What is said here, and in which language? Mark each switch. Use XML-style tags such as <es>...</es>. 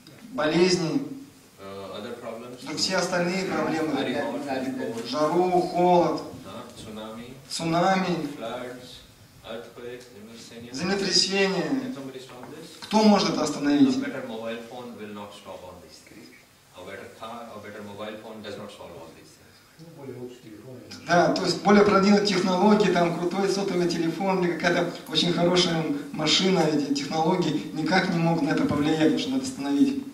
<ru>Болезни?</ru> <en>Other problems?</en> <ru>Все остальные проблемы? Жару, холод? Цунами? Цунами?</ru> <en>Floods? Earthquake?</en> <ru>Землетрясение? Кто может это остановить?</ru> <en>A better mobile phone will not stop all these things. A better car, a better mobile phone does not solve all these things.</en> <ru>Да, то есть более продвинутые технологии, там крутой сотовый телефон или какая-то очень хорошая машина, эти технологии никак не могут на это повлиять, потому что надо</ru>